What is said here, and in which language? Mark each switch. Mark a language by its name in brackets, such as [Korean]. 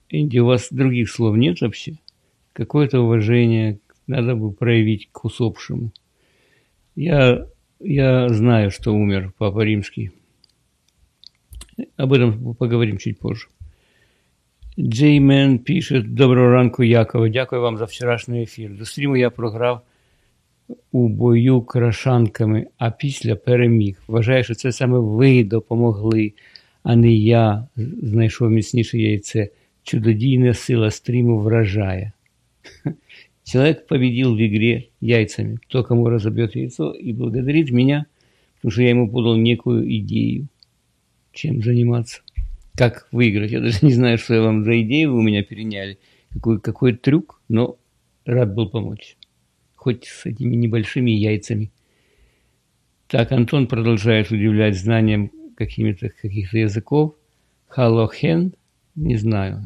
[Russian] Энди, у вас других слов нет вообще? Какое-то уважение надо бы проявить к усопшему. Я знаю, что умер Папа Римский. Об этом поговорим чуть позже. Джей Мэн пишет: [Ukrainian] «Доброго ранку, Якова. Дякую вам за вчорашний ефір. До стріму я програв у бою крашанками, а після переміг. Вважаю, що це саме ви допомогли, а не я знайшов міцніше яйце. Чудодійна сила стріму вражає». Чоловік побідів в ігрі яйцями. То, кому розоб'є яйцо і благодарить мене, тому що я йому подав некую ідею, чим займатися. [Russian] Как выиграть? Я даже не знаю, что я вам за идею вы у меня переняли. Какой трюк, но рад был помочь. Хоть с этими небольшими яйцами. Так, Антон продолжает удивлять знанием каких-то языков. Халохен? Не знаю.